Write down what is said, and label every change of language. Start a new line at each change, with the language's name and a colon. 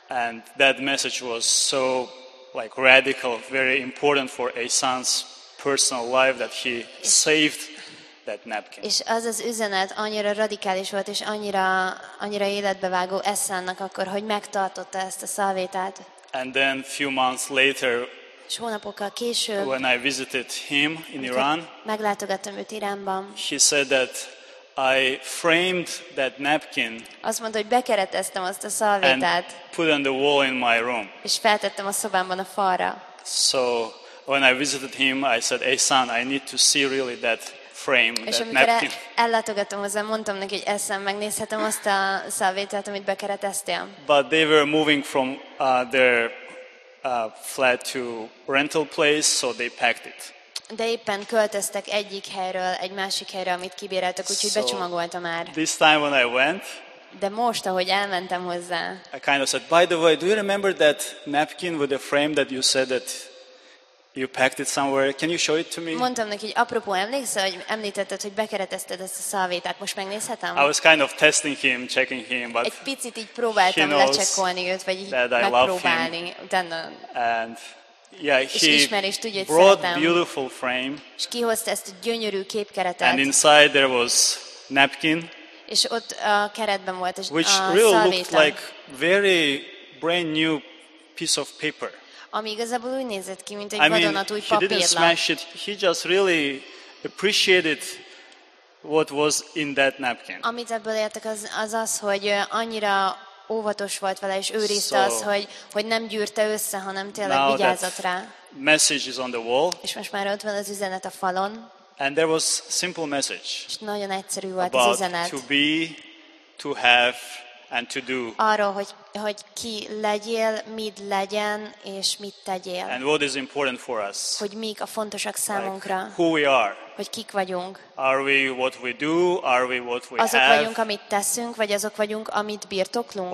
English: And that message was so like radical, very important for Asan's personal life that he saved that napkin.
Hungarian: És az az üzenet annyira radikális volt és annyira életbevágó Asannak akkor, hogy megtartotta ezt a szalvétát.
English: And then few months later,
Hungarian: és hónapokkal később,
English: when I visited him in Iran,
Hungarian: meglátogattam őt Iránban.
English: He said that I framed that napkin.
Hungarian: Azt mondta, hogy bekereteztem azt a szalvétát.
English: Put on the wall in my room.
Hungarian: És feltettem a szobámban a falra.
English: So when I visited him, I said, "Asan, I need to see really that frame,
Hungarian: és
English: that napkin."
Hungarian: És amikor ellátogattam hozzá, mondtam neki, hogy Asan, megnézhetem azt a szalvétát, amit bekereteztem.
English: But they were moving from their flat to rental place, so they packed it.
Hungarian: De éppen költöztek egyik helyről egy másik helyre, amit kibéreltek, úgyhogy
English: so,
Hungarian: becsomagolta már.
English: This time when I went,
Hungarian: de most, ahogy elmentem hozzá,
English: I kind of said, by the way, do you remember that napkin with the frame that you said that you packed it somewhere? Can you show it to me?
Hungarian: Mondtam neki, hogy apropó, emlékszel, hogy említetted, hogy bekeretezted ezt a szalvétát, most megnézhetem?
English: I was kind of testing him, checking him, but
Hungarian: egy picit így próbáltam lecsekkolni őt, vagy így megpróbálni.
English: And yeah, he
Hungarian: és tudja,
English: brought a beautiful frame.
Hungarian: És kihozta ezt a gyönyörű képkeretet.
English: And inside there was napkin.
Hungarian: És ott a keretben volt a szalvéta.
English: Which really looked like very brand new piece of paper.
Hungarian: Ami igazából úgy nézett ki, mint egy vadonatúj papírlap.
English: I mean, he didn't smash it. He just really appreciated what was in that napkin.
Hungarian: Amit ebből értek, az, hogy annyira óvatos volt vele, és őrizte azt, hogy nem gyűrte össze, hanem tényleg vigyázott rá.
English: Message is on the wall.
Hungarian: És most már ott van az üzenet a falon.
English: And there was simple message.
Hungarian: És nagyon egyszerű volt az üzenet.
English: About to be, to have, and to do.
Hungarian: Arról, hogy ki legyél, mit legyen, és mit tegyél.
English: And what is important for us.
Hungarian: Hogy mik a fontosak számunkra.
English: Like who we are.
Hungarian: Hogy kik vagyunk.
English: Are we what we do? Are we what we
Hungarian: azok
English: have?
Hungarian: Azok vagyunk, amit teszünk, vagy azok vagyunk, amit birtoklunk.